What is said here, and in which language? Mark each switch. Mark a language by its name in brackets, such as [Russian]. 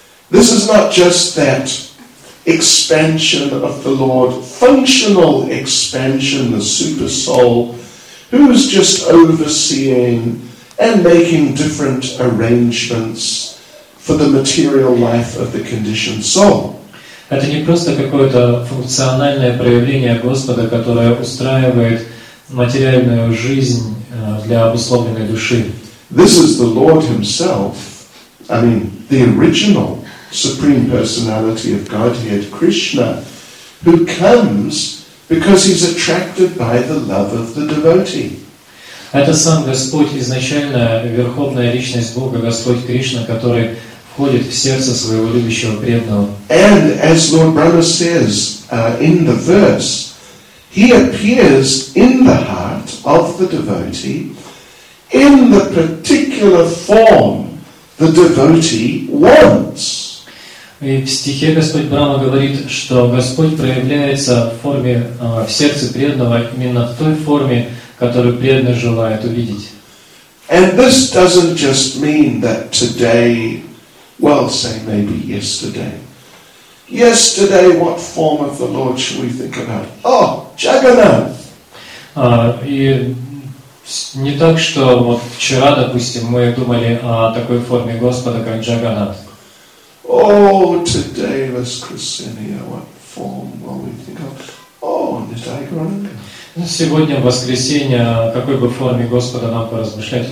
[English] This is not just that expansion of the Lord, functional expansion, the super soul, who is just overseeing and making different arrangements for the material life of the conditioned soul. [Russian] Это не просто какое-то функциональное проявление Господа, которое устраивает материальную жизнь для обусловленной души. [English] This is the Lord himself, I mean, the original Supreme Personality of Godhead, Krishna, who comes because he's attracted by the love of the devotee. [Russian] Это сам Господь, изначально верховная личность Бога, Господь Кришна, который входит в сердце своего любящего преданного. [English] And as Lord Brahma says in the verse, he appears in the heart of the devotee in the particular form the devotee wants. [Russian] И в стихе Господь Брама говорит, что Господь проявляется в форме, в сердце преданного именно в той форме, которую преданный желает увидеть. [English] And this doesn't just mean that today, well, say maybe yesterday. Yesterday, what form of the Lord should we think about? Oh, Jagannath! [Russian] И не так, что вот вчера, допустим, мы думали о такой форме Господа, как Джаганнат. [English] Oh, today, Miss Ksenia, what form will we think of? Oh, Nityagauranga. [Russian] Сегодня в воскресенье какой бы форме Господа нам поразмышлять?